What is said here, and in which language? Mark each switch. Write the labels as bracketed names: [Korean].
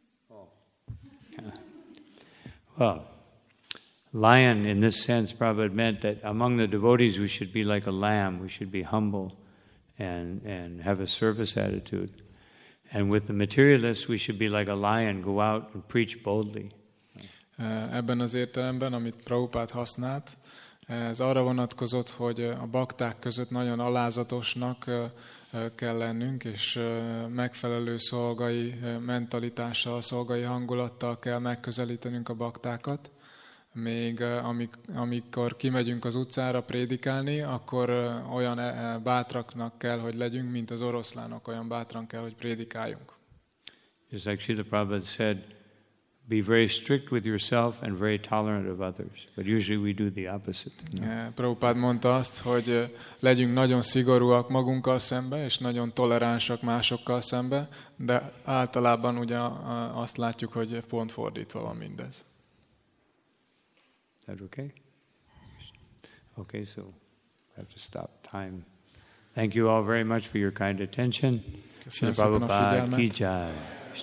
[English] Oh, yeah. Well, lion in this sense probably meant that among the devotees we should be like a lamb. We should be humble, and have a service attitude. And with the materialists we should be like a lion. Go out and preach boldly. [Hungarian] Ebben az értelemben, amit Prabhupada használt. Ez arra vonatkozott, hogy a bakták között nagyon alázatosnak kell lennünk, és megfelelő szolgai mentalitással, szolgai hangulattal kell megközelítenünk a baktákat. Még amikor kimegyünk az utcára prédikálni, akkor olyan bátraknak kell, hogy legyünk, mint az oroszlánok, olyan bátran kell, hogy prédikáljunk. [English] Just like Srila Prabhupada said, be very strict with yourself and very tolerant of others. But usually we do the opposite. No? [Hungarian] Yeah, Prabhupád mondta azt, hogy legyünk nagyon szigorúak magunkkal szembe, és nagyon toleránsak másokkal szembe, de általában ugye azt látjuk, hogy pont fordítva van mindez. [English] Is that okay? Okay, so I have to stop time. Thank you all very much for your kind attention. [Hungarian] Köszönöm szépen a figyelmet.